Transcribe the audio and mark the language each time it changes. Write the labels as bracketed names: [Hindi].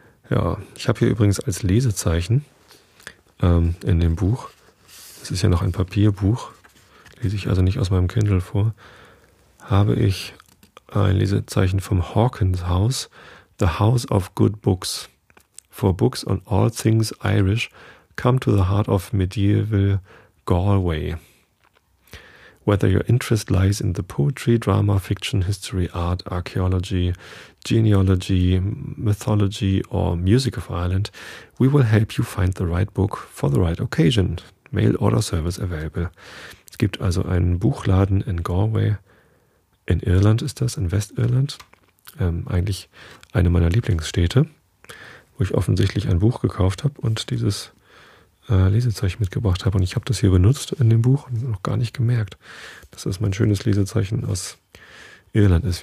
[German] Ja, ich habe hier übrigens als Lesezeichen in dem Buch, es ist ja noch ein Papierbuch, lese ich also nicht aus meinem Kindle vor, habe ich ein Lesezeichen vom Hawkins House, The House of Good Books. [English] For books on all things Irish, come to the heart of medieval Galway. Whether your interest lies in the poetry, drama, fiction, history, art, archaeology, genealogy, mythology or music of Ireland, we will help you find the right book for the right occasion. Mail order service available. [German] Es gibt also einen Buchladen in Galway. In Irland ist das, in Westirland. Eigentlich eine meiner Lieblingsstädte, wo ich offensichtlich ein Buch gekauft habe und dieses Lesezeichen mitgebracht habe. Und ich habe das hier benutzt in dem Buch und noch gar nicht gemerkt, dass das mein schönes Lesezeichen aus Irland ist.